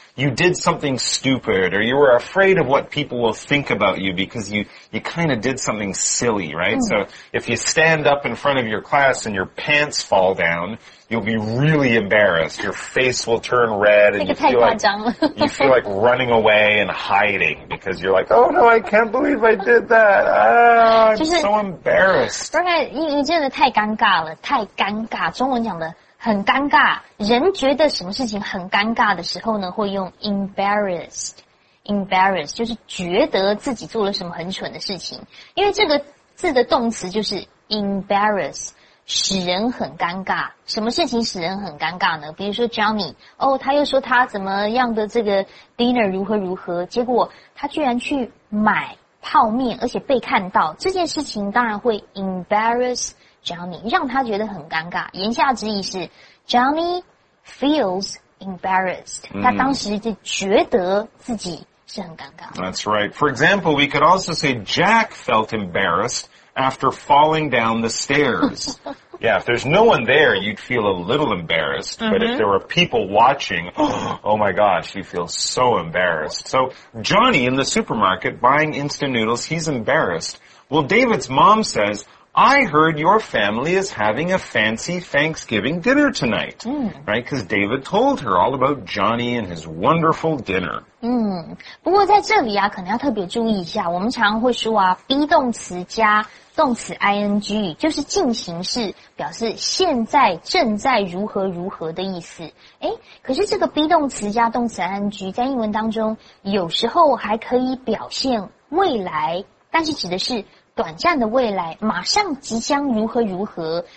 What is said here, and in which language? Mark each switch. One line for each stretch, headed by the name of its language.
English: You did something stupid, or you were afraid of what people will think about you because you kind of did something silly, right? Mm. So if you stand up in front of your class and your pants fall down, you'll be really embarrassed. Your face will turn red and you feel like running away and hiding because you're like, oh no, I can't believe I did that. Ah, I'm so embarrassed.
Chinese: Right, you 真的太尴尬了，太尴尬，中文讲的。很尴尬，人觉得什么事情很尴尬的时候呢，会用 embarrassed 就是觉得自己做了什么很蠢的事情。因为这个字的动词就是 embarrass， 使人很尴尬。什么事情使人很尴尬呢？比如说 Johnny， 哦，他又说他怎么样的这个 dinner 如何如何，结果他居然去买泡面，而且被看到，这件事情当然会 embarrass。 Johnny 让他觉得很尴尬，言下之意是
English: Johnny feels embarrassed.
Chinese: 他当时就觉得自己是很尴尬。 That's right.
English: For example, we could also say Jack felt embarrassed after falling down the stairs. Yeah, if there's no one there, you'd feel a little embarrassed. But if there were people watching, oh my gosh, you feel so embarrassed. So Johnny in the supermarket buying instant noodles, he's embarrassed. Well, David's mom says,I heard your family is having a fancy Thanksgiving dinner tonight. Right? Because David told her all about Johnny and his wonderful dinner.
Chinese: 不过在这里啊，可能要特别注意一下，我们常会说啊 ,be 动词加动词 ing, 就是进行式表示现在正在如何如何的意思。诶，可是这个 be 动词加动词 ing, 在英文当中有时候还可以表现未来，但是指的是短暂的未来，马上即将如何如何。